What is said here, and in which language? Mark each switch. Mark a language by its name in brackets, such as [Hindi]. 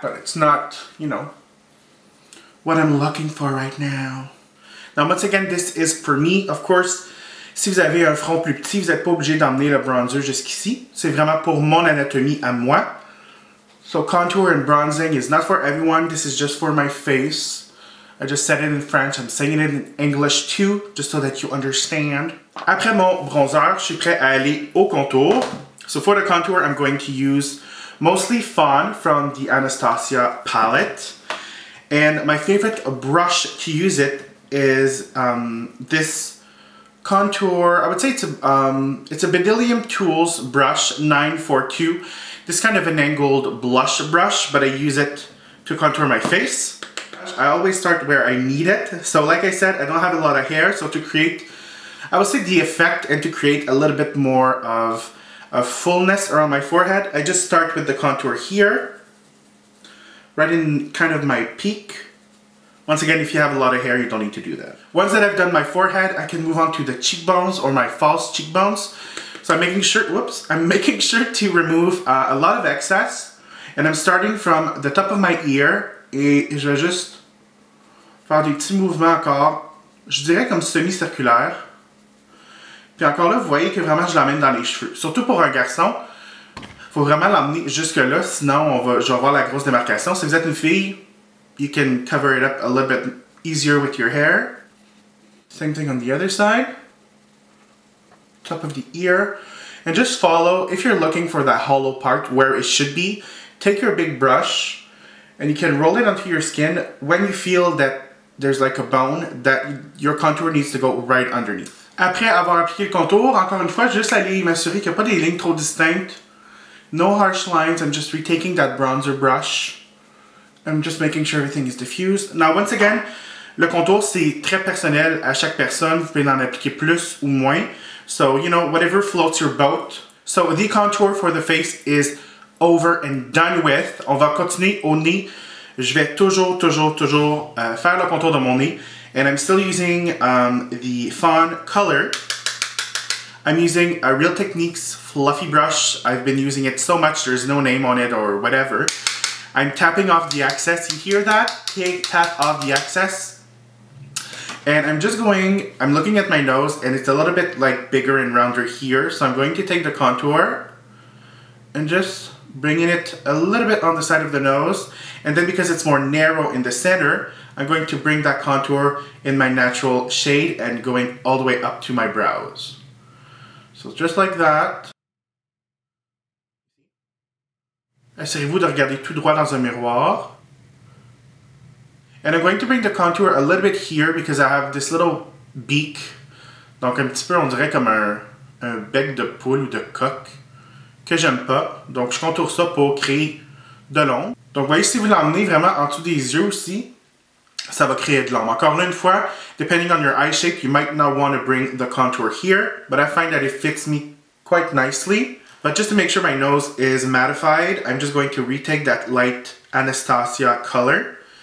[English] But it's not, you know, what I'm looking for right now. Now, once again, this is for me. Of course, [French] si vous avez un front plus petit, vous n'êtes pas obligé d'emmener le bronzer jusqu'ici. C'est vraiment pour mon anatomie à moi. [English] So contour and bronzing is not for everyone, this is just for my face. I just said it in French, I'm saying it in English too, just so that you understand. [French] Après mon bronzer, je suis prêt à aller au contour. [English] So for the contour, I'm going to use mostly Fawn from the Anastasia palette. And my favorite brush to use it is this contour. I would say it's a Bedillium Tools brush 942. This kind of an angled blush brush, but I use it to contour my face. I always start where I need it. So like I said, I don't have a lot of hair. So to create, I would say the effect and to create a little bit more of a fullness around my forehead, I just start with the contour here, right in kind of my peak. Once again, if you have a lot of hair, you don't need to do that. Once that I've done my forehead, I can move on to the cheekbones or my false cheekbones. So I'm making sure, to remove a lot of excess. And I'm starting from the top of my ear. [French] Et je vais juste faire des petits mouvements encore, je dirais comme semi-circulaire. Puis encore là, vous voyez que vraiment je l'amène dans les cheveux. Surtout pour un garçon, faut vraiment l'amener jusque là, sinon je vais avoir la grosse démarcation. Si vous êtes une fille, [English] you can cover it up a little bit easier with your hair. Same thing on the other side. Top of the ear, and just follow, if you're looking for that hollow part where it should be, take your big brush, and you can roll it onto your skin when you feel that there's like a bone that your contour needs to go right underneath. [French] Après avoir appliqué le contour, encore une fois, juste aller m'assurer qu'il n'y a pas des lignes trop distinctes. [English] No harsh lines, I'm just retaking that bronzer brush. I'm just making sure everything is diffused. Now, once again, [French] le contour, c'est très personnel à chaque personne. Vous pouvez en appliquer plus ou moins. [English] So, you know, whatever floats your boat. So, the contour for the face is over and done with. [French] On va continuer au nez. Je vais toujours, toujours, toujours faire le contour de mon nez. [English] And I'm still using the Fawn color. I'm using a Real Techniques fluffy brush. I've been using it so much, there's no name on it or whatever. I'm tapping off the excess. You hear that? Okay, tap off the excess. And I'm looking at my nose, and it's a little bit like bigger and rounder here. So I'm going to take the contour and just bringing it a little bit on the side of the nose. And then because it's more narrow in the center, I'm going to bring that contour in my natural shade and going all the way up to my brows. So just like that. [French] Assurez-vous de regarder tout droit dans un miroir. [English] And I'm going to bring the contour a little bit here because I have this little beak. [French] Donc un petit peu, on dirait comme un bec de poule ou de coq. Que j'aime pas. Donc je contourne ça pour créer de l'ombre. Donc voyez, si vous l'emmenez vraiment en dessous des yeux aussi, ça va créer de l'ombre. Encore une fois, [English] depending on your eye shape, you might not want to bring the contour here, but I find that it fits me quite nicely. But just to make sure my nose is mattified, I'm just going to retake that light Anastasia color.